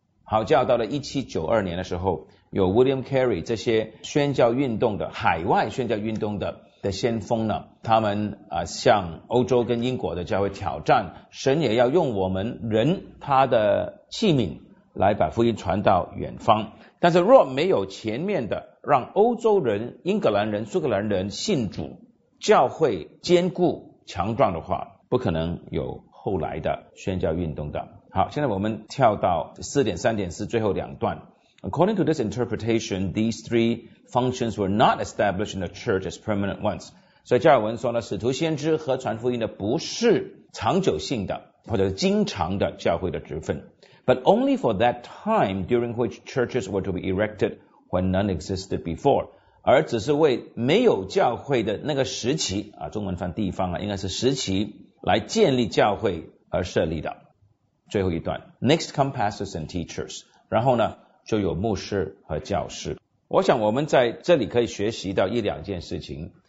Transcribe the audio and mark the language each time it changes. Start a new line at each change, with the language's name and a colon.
Chinese: 好教到了1792年的时候，有 William Carey 这些宣教运动的海外宣教运动的先锋呢，他们向欧洲跟英国的教会挑战，神也要用我们人他的器皿来把福音传到远方。但是若没有前面的让欧洲人、英格兰人、苏格兰人信主，教会坚固强壮的话，不可能有后来的宣教运动的。好，现在我们跳到 4.3.4 最后两段。
English: According to this interpretation, these three functions were not established in the church as permanent ones.
Chinese: 所以加尔文说呢，使徒、先知和传福音的不是长久性的或者经常的教会的职分。
English: But only for that time during which churches were to be erected when none existed before.
Chinese: 而只是为没有教会的那个时期啊，中文翻地方啊，应该是时期来建立教会而设立的。最后一段，
English: Next come pastors and teachers.
Chinese: 然后呢就有牧师和教师。我想我们在这里可以学习到一两件事情。